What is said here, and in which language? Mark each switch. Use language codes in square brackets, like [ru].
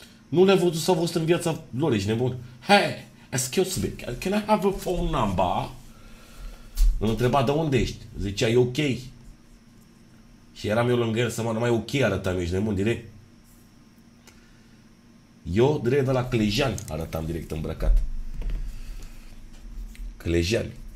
[ro] Nu le-a văzut sau văzut în viața lor, ești nebun. [en] Hey, excuse me, can I have a phone number? [ro] Îl întreba, de unde ești? Zicea, e ok. Și eram eu lângă el, să mă, numai ok arătam, ești nebun, direct. Eu, direct de la Clejean, arătam direct îmbrăcat. Clejean.